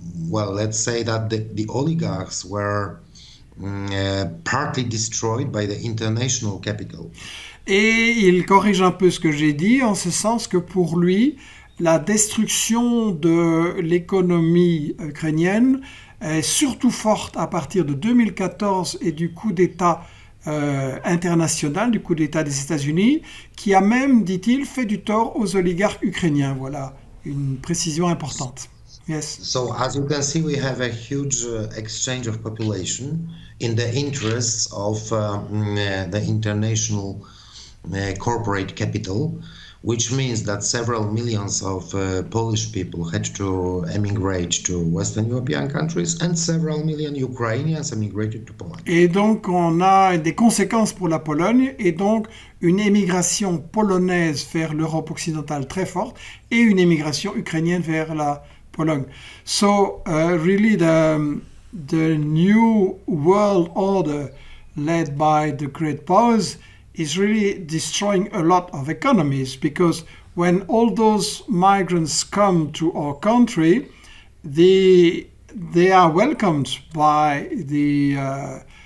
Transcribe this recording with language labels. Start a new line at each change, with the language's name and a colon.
English: Well, let's say that the oligarchs were partly destroyed by the international capital.
French: Et il corrige un peu ce que j'ai dit, en ce sens que pour lui, la destruction de l'économie ukrainienne est surtout forte à partir de 2014 et du coup d'État international, du coup d'État des États-Unis, qui a même, dit-il, fait du tort aux oligarques ukrainiens. Voilà une précision importante.
English: Yes. So as you can see, we have a huge exchange of population in the interests of the international corporate capital, which means that several millions of Polish people had to emigrate to Western European countries and several million Ukrainians emigrated to Poland.
French: Et donc on a des conséquences pour la Pologne et donc une émigration polonaise vers l'Europe occidentale très forte et une émigration ukrainienne vers la Pologne.
English: So really the new world order led by the great powers is really destroying a lot of economies, because when all those migrants come to our country, they are welcomed by the